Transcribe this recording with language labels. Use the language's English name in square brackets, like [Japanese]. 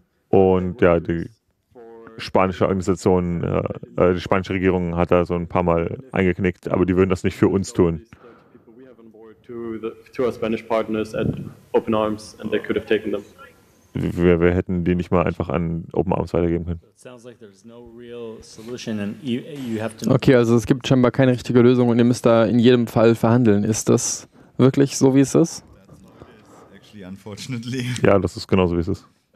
[German] Und ja, die spanische Regierung hat da so ein paar Mal eingeknickt, aber die würden das nicht für uns tun. [English] To our Spanish partners at Open Arms, and they could have taken them. [German] wir hätten die nicht mal einfach an Open Arms weitergeben können. Okay, also es gibt scheinbar keine richtige Lösung und ihr müsst da in jedem Fall verhandeln. Ist das wirklich so, wie es ist? Ja, das ist genauso, wie es ist.